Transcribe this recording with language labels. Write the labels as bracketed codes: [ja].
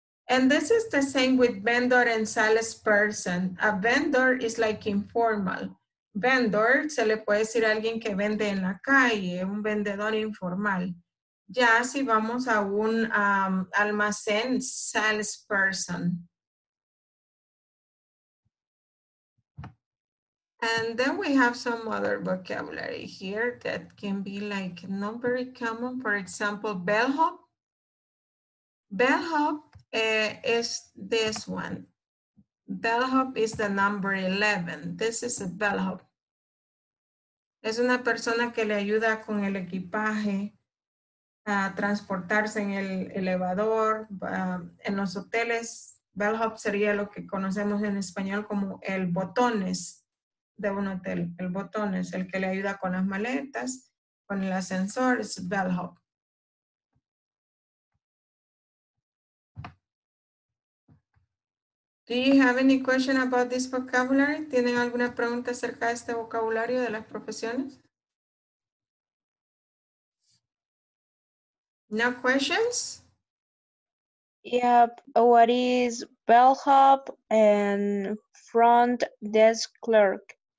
[en] And this is the same with vendor and salesperson. A vendor is like informal. [es] Vendor, se le puede decir a alguien que vende en la calle, un vendedor informal. Ya si vamos a un almacén, salesperson. [en] And then we have some other vocabulary here that can be like not very common. For example, bellhop. Bellhop is this one. Bellhop is the number 11. This is a bellhop. [es] Es una persona que le ayuda con el equipaje a transportarse en el elevador. En los hoteles, bellhop sería lo que conocemos en español como el botones. De un hotel, el botón es el que le ayuda con las maletas, con el ascensor, es bellhop. [en] Do you have any question about this vocabulary? [es] ¿Tienen alguna pregunta acerca de este vocabulario de las profesiones? [en] No questions? Yep. What is bellhop and front desk clerk?